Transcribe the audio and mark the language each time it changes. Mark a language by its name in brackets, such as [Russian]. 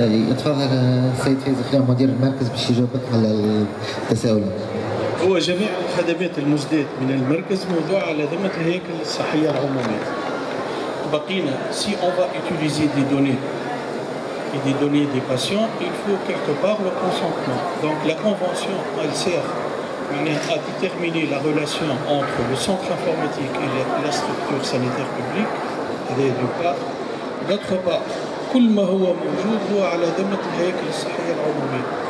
[Arabic] يتفضل السيد فايز خليل مدير المركز باش يجاوبك على التساؤل. هو جميع الخدمات المزداة من المركز موضوع على ذمة الهيكل الصحية العمومية. بقينا [French] سي اون فا اوتيليزي دي دوني اي دي دوني دي باسيون il faut quelque part le consentement. Donc la convention elle sert à déterminer la relation entre le centre informatique et la structure sanitaire publique, elle est d'une part. D'autre part, [Arabic] كل ما هو موجود هو على ذمة الهيكل الصحية العمومية.